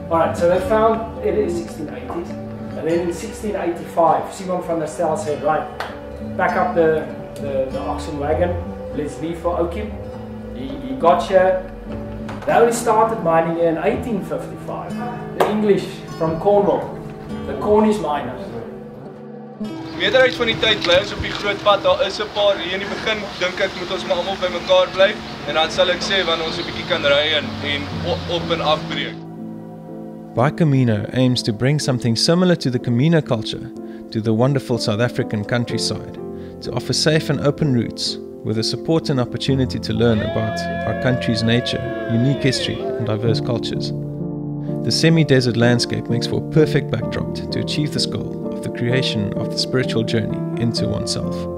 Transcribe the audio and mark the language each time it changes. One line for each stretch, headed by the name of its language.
English: Alright, so they found it in the 1680s, and then in 1685, Simon van der Stel said, right, pack up the oxen wagon, let's leave for Okeep. He got here. They only started mining here in 1855. The English from Cornwall, the Cornish miners.
Afrikaans: Die meerderheid van die tyd bly ons op die groot pad. Daar is 'n paar hier in die begin, dink ek moet ons maar almal by mekaar bly en dan sal ek sê wanneer ons 'n bietjie kan ry en op en afbreek.
English: Bikamino aims to bring something similar to the Camino culture to the wonderful South African countryside, to offer safe and open routes with the support and opportunity to learn about our country's nature, unique history and diverse cultures. The semi-desert landscape makes for a perfect backdrop to achieve this goal of the creation of the spiritual journey into oneself.